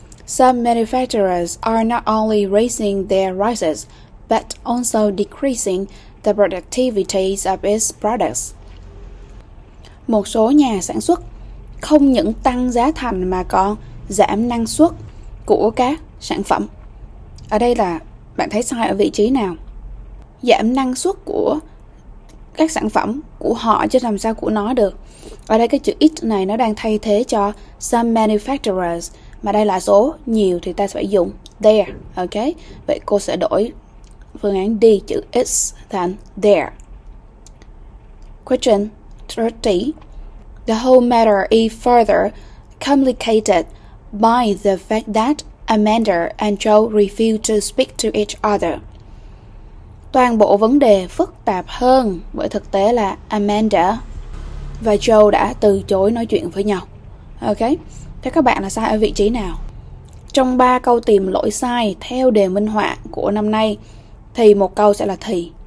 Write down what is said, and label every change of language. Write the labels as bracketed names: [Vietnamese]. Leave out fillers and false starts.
[English] Some manufacturers are not only raising their prices, but also decreasing the productivity of its products. [Vietnamese] Một số nhà sản xuất không những tăng giá thành mà còn giảm năng suất của các sản phẩm. Ở đây là bạn thấy sai ở vị trí nào? Giảm năng suất của các sản phẩm của họ chứ làm sao của nó được. Ở đây cái chữ it này nó đang thay thế cho some manufacturers, mà đây là số nhiều thì ta sẽ phải dùng there, ok? Vậy cô sẽ đổi phương án D, chữ it thành there. [English] Question 30. The whole matter is further complicated by the fact that Amanda and Joe refuse to speak to each other. [Vietnamese] Toàn bộ vấn đề phức tạp hơn bởi thực tế là Amanda và Joe đã từ chối nói chuyện với nhau. Ok, thế các bạn là sai ở vị trí nào? Trong 3 câu tìm lỗi sai theo đề minh họa của năm nay thì một câu sẽ là thì.